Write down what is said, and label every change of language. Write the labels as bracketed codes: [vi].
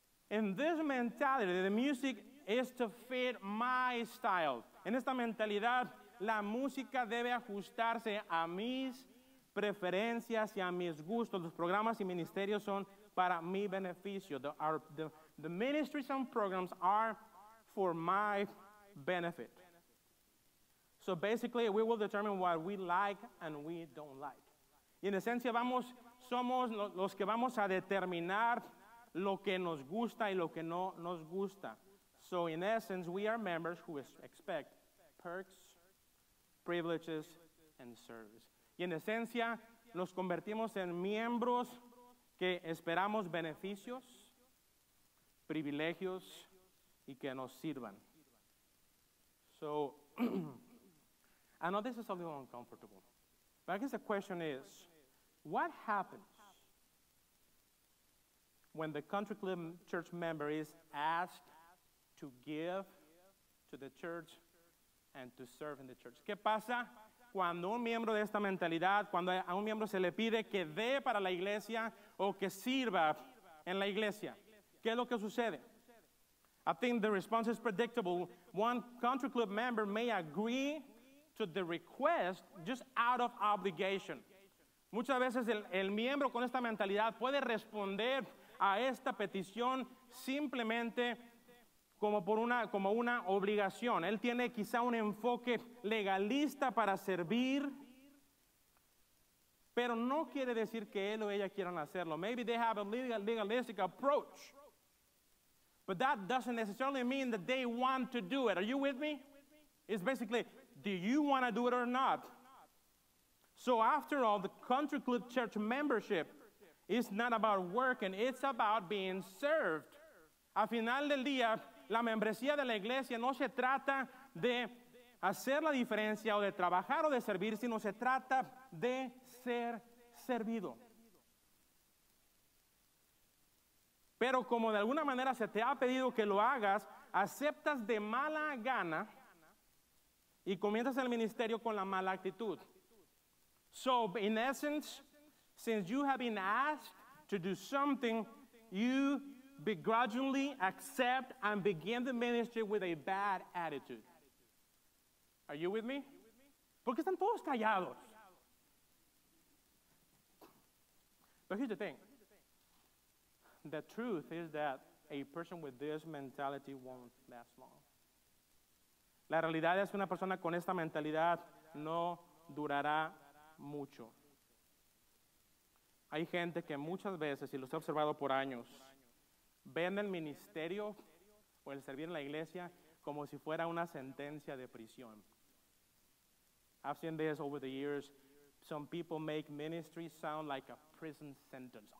[en] In this mentality, the music is to fit my style. [es] En esta mentalidad, la música debe ajustarse a mis preferencias y a mis gustos. Los programas y ministerios son para mi beneficio. [en] The ministries and programs are for my benefit. So basically, we will determine what we like and we don't like. [es] Y en esencia, somos los que vamos a determinar lo que nos gusta y lo que no nos gusta. [en] So in essence, we are members who expect perks, privileges, and service. [es] Y en esencia, nos convertimos en miembros que esperamos beneficios, privilegios, y que nos sirvan. [en] So, I know this is a little uncomfortable, but I guess the question is, what happens when the country club church member is asked to give to the church and to serve in the church? [es] ¿Qué pasa cuando un miembro de esta mentalidad, cuando a un miembro se le pide que dé para la iglesia o que sirva en la iglesia? ¿Qué es lo que sucede? [en] I think the response is predictable. One country club member may agree to the request just out of obligation. [es] Muchas veces el miembro con esta mentalidad puede responder a esta petición simplemente como una obligación. Él tiene quizá un enfoque legalista para servir, pero no quiere decir que él o ella quieran hacerlo. [en] Maybe they have a legalistic approach, but that doesn't necessarily mean that they want to do it. Are you with me? It's basically, do you want to do it or not? So after all, the country club church membership is not about working. It's about being served. [es] Al final del día, la membresía de la iglesia no se trata de hacer la diferencia o de trabajar o de servir, sino se trata de ser servido. Pero como de alguna manera se te ha pedido que lo hagas, aceptas de mala gana y comienzas el ministerio con la mala actitud. [en] So, in essence, since you have been asked to do something, you begrudgingly accept and begin the ministry with a bad attitude. Are you with me? [es] ¿Por qué están todos callados? [en] But here's the thing. The truth is that a person with this mentality won't last long. [es] La realidad es que una persona con esta mentalidad no durará mucho. Hay gente que muchas veces, y los he observado por años, ven el ministerio o el servir en la iglesia como si fuera una sentencia de prisión. [en] I've seen this over the years. Some people make ministry sound like a prison sentence.